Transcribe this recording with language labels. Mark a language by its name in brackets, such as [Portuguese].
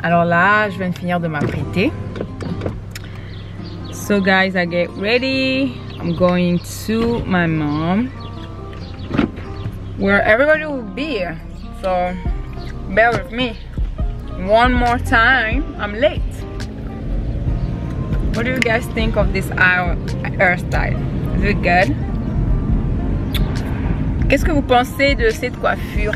[French] Alors là, je viens de finir de m'apprêter. [English] So guys, I get ready. I'm going to my mom, where everybody will be. So bear with me. One more time, I'm late. What do you guys think of this hairstyle? Is it good? [French] Qu'est-ce que vous pensez de cette coiffure?